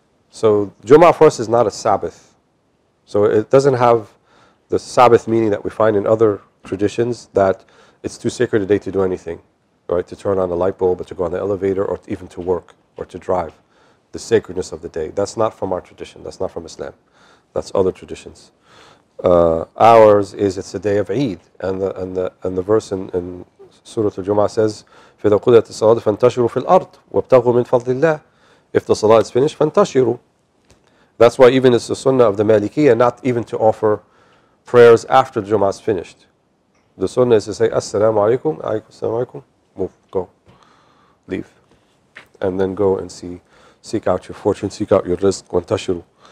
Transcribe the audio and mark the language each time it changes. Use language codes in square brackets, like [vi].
[en] So Jum'ah for us is not a Sabbath. So it doesn't have the Sabbath meaning that we find in other traditions, that it's too sacred a day to do anything, right? To turn on the light bulb or to go on the elevator or even to work or to drive. The sacredness of the day, that's not from our tradition, that's not from Islam. That's other traditions. Ours is, it's a day of Eid. And the verse in Surah Al-Jum'ah says, [ar] فَإِذَا قُضِيَتِ الصَّلَاةُ فَانْتَشِرُوا فِي الْأَرْضِ وَابْتَغُوا مِنْ فَضْلِ اللَّهِ. [en] If the salah is finished, فَانْتَشِرُوا. That's why even it's the sunnah of the Malikiyyah not even to offer prayers after the Jum'ah is finished. The sunnah is to say, assalamu alaikum, assalamu alaikum, move, go, leave. And then go and seek out your fortune, seek out your rizq, وَانْتَشِرُوا.